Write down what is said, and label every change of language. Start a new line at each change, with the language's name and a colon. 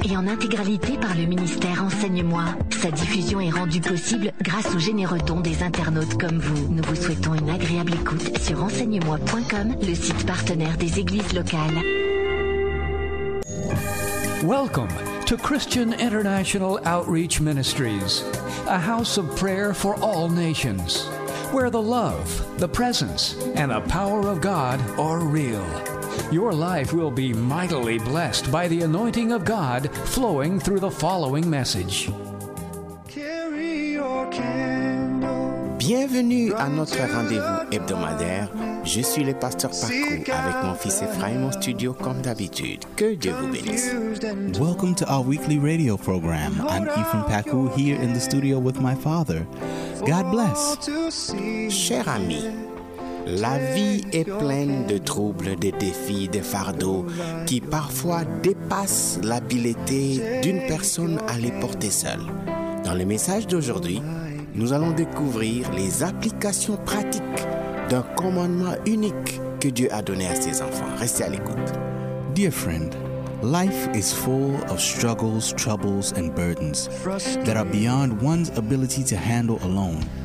French: Et en intégralité par le ministère Enseigne-moi. Sa diffusion est rendue possible grâce aux généreux dons des internautes comme vous. Nous vous souhaitons une agréable écoute sur enseignemoi.com, le site partenaire des églises locales.
English: Welcome to Christian International Outreach Ministries, a house of prayer for all nations, where the love, the presence, and the power of God are real. Your life will be mightily blessed by the anointing of God flowing through the following message. Carry your candle.
French: Bienvenue à notre rendez-vous hebdomadaire. Je suis le pasteur Paco avec mon fils Ephraim en studio comme d'habitude. Que Dieu vous bénisse.
English: Welcome to our weekly radio program. I'm Ephraim Paco here in the studio with my father. God bless.
French: Cher ami, la vie est pleine de troubles, de défis, de fardeaux qui parfois dépassent l'habileté d'une personne à les porter seule. Dans le message d'aujourd'hui, nous allons découvrir les applications pratiques d'un commandement unique que Dieu a donné à ses enfants. Restez à l'écoute.
English: Dear friend, life is full of struggles, troubles, and burdens that are beyond one's ability to handle alone.